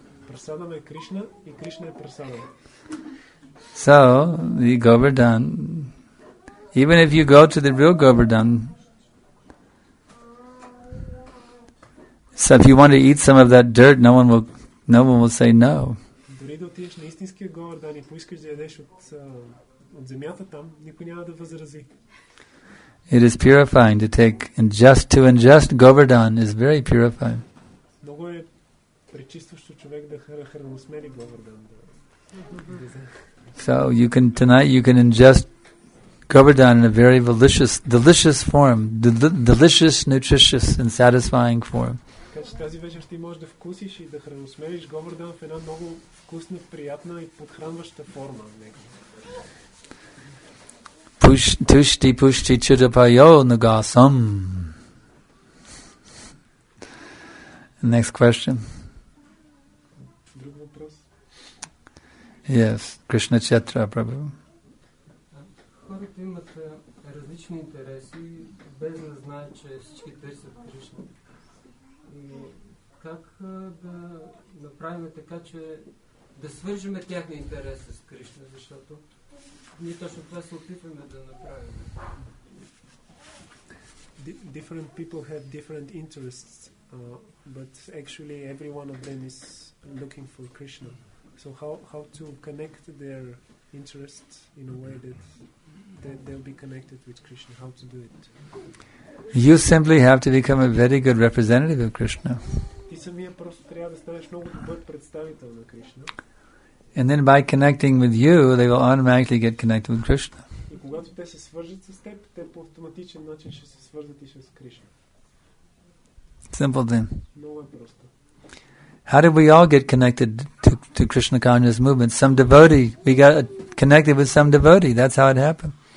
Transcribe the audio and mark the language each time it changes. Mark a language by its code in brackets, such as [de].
[en] Prasadam is Krishna and Krishna is Prasadam. So, the Govardhan, even if you go to the real Govardhan, so if you want to eat some of that dirt, no one will say no. [bg] Отиеш на истинския говор, да, не поискаш да ядеш от земята там, никой няма да възрази. [en] It is purifying to take ingest. To ingest Govardhan is very purifying. [bg] Много е пречистващо човек да храносмели Говардан. [en] So you can ingest Govardhan in a very delicious form, delicious, nutritious and satisfying form. [bg] Тази вечер ти можеш да вкусиш и да храносмелиш Говардан в една много вкусна, приятна и подхранваща форма в него. [sa] Тушти пушти чудапайо нагасам. [en] Next question. [bg] Друг въпрос. [en] Yes, Кришна Четра, Прабху. [bg] Хората имат различни интереси, без да знаят, че всички търсят Кришна. Как да направим така, че да свържем техния интерес с Кришна, защото ние точно това се опитваме да направим. [en] Different people have different interests, but actually every one of them is looking for Krishna. So how to connect their interests in a way that they'll be connected with Krishna? How to do it? You simply have to become a very good representative of Krishna. [bg] Ти самия просто трябва да станеш много добър представител на Кришна. [en] And then by connecting with you, they will automatically get connected with Krishna. [bg] И когато те се свържат с теб, те по автоматичен начин ще се свържат и с Кришна. [en] Simple thing. [bg] Много е просто. [en] How did we all get connected to Krishna consciousness movement? Some devotee, we got connected with some devotee. That's how it happened.